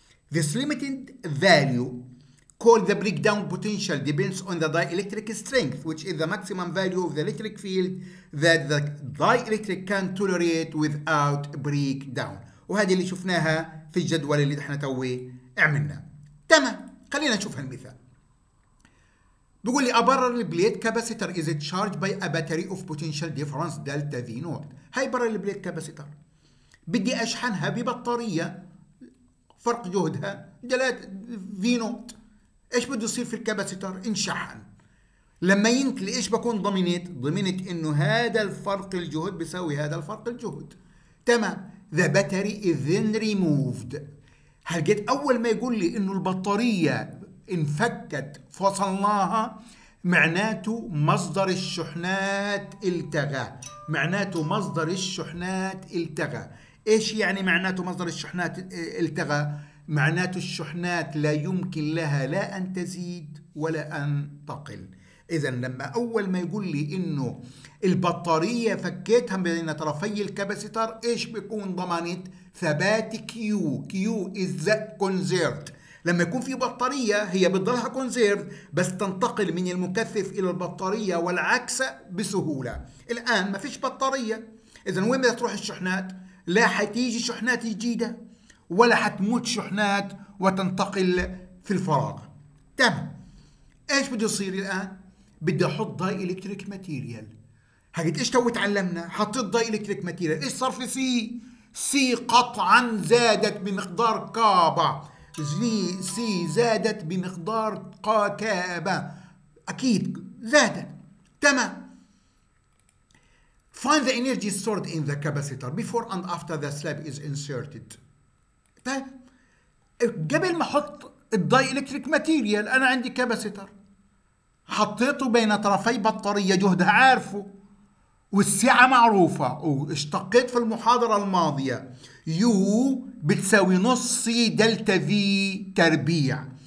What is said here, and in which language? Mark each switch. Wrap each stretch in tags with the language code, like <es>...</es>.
<en>This limited value, called the breakdown potential, depends on the dielectric strength, which is the maximum value of the electric field that the dielectric can tolerate without breakdown.</en> <ar>وهذه اللي شفناها في الجدول اللي احنا توي عملنا. تمام، خلينا نشوف هالمثال. بيقول لي أبرر البليت كاباسيتر</ar> <en>is it charged by a battery of potential difference delta V naught.</en> <ar>هاي برر البليت كاباسيتر، بدي أشحنها ببطارية فرق جهدها دلات V naught. إيش بده يصير في الكاباسيتر؟ انشحن. لما ينتلي إيش بكون ضمنت؟ ضمنت إنه هذا الفرق الجهد بيساوي هذا الفرق الجهد. تمام،</ar> <en>the battery is then removed.</en> <ar>هلقيت أول ما يقول لي إنه البطارية انفكت فصلناها، معناته مصدر الشحنات التغى، معناته مصدر الشحنات التغى. ايش يعني معناته مصدر الشحنات التغى؟ معناته الشحنات لا يمكن لها لا ان تزيد ولا ان تقل. اذا لما اول ما يقول لي انه البطارية فكيتها بين طرفي الكاباسيتر، ايش بيكون ضمانت؟ ثبات كيو.</ar> <en>Q is the conserved.</en> <ar>لما يكون في بطارية هي بتضلها كونزيرف، بس تنتقل من المكثف إلى البطارية والعكس بسهولة. الآن ما فيش بطارية، إذا وين بدها تروح الشحنات؟ لا حتيجي شحنات جديدة ولا حتموت شحنات وتنتقل في الفراغ. تمام، إيش بده يصير الآن؟ بدي أحط داي إلكتريك ماتيريال. هقيت إيش تو تعلمنا؟ حطيت داي إلكتريك ماتيريال، إيش صار في سي؟ سي قطعاً زادت بمقدار كابا. سي زادت بمقدار كابا، اكيد زادت. تمام،</ar> <en>find the energy stored in the capacitor before and after the slab is inserted.</en> <ar>طيب قبل ما احط الدايلكتريك ماتيريال، انا عندي كاباسيتر حطيته بين طرفي بطاريه جهدها عارفه والسعه معروفه، واشتقيت في المحاضره الماضيه يو بتساوي نص سي دلتا في تربيع.</ar>